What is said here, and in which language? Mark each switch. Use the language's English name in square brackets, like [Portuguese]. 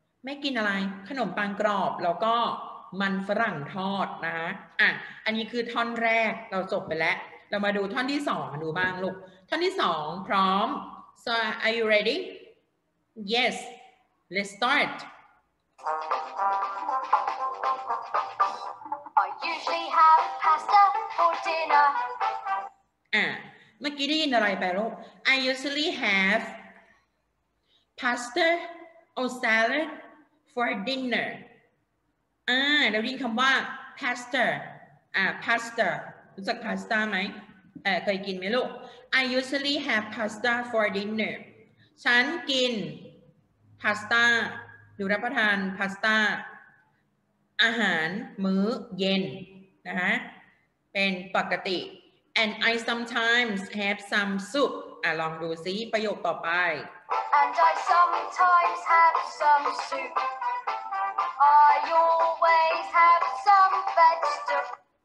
[Thai] กินอะไรขนมปังกรอบแล้วก็มันฝรั่งทอดนะอ่ะอันนี้คือท่อนแรกเราจบไปแล้วเรามาดูท่อนที่สองดูบ้างลูกท่อนที่สองพร้อม [English] so are you ready yes let's start I usually have pasta for dinner [Thai] อ่ะเมื่อกี้ได้ยินอะไรไปลูก [English] I usually have pasta or saladfor dinner [Thai] แล้วยินคำว่า pasta pasta รู้จัก pasta ไหมเคยกินไหมลูก [English] I usually have pasta for dinner [Thai] ฉันกิน pasta หรือรับประทาน pasta อาหารมื้อเย็นนะฮะเป็นปกติ [English] and I sometimes have some soup [Thai] ลองดูซิประโยคต่อไป [English] And I sometimes have some soup. I always have some vegetable.